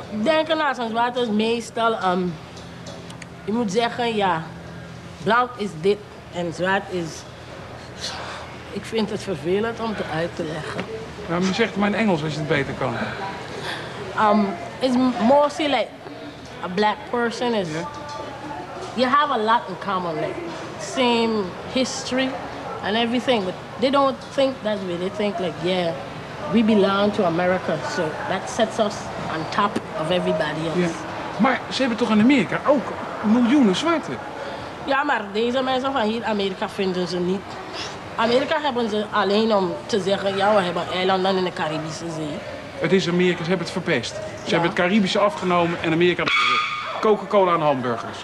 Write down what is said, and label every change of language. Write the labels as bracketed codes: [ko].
[nl] Denken als een zwarte is meestal, je moet zeggen, ja, blank is dit en zwart is... Ik vind het vervelend om het uit te leggen. Nou, maar zeg het maar in Engels als je het beter kan. [en] Is mostly like a black person is... Yeah. You have a lot in common, like same history and everything, but they don't think that way. They think like, yeah, we belong to America, so that sets us on top of everybody else. Yeah. [nl] Maar ze hebben toch in Amerika ook miljoenen zwarte? Ja, maar deze mensen van hier Amerika vinden ze niet. Amerika hebben ze alleen om te zeggen, ja, we hebben eilanden in de Caribische Zee. Het is Amerika, ze hebben het verpest. Ze hebben het Caribische afgenomen en Amerika Coca-Cola en hamburgers.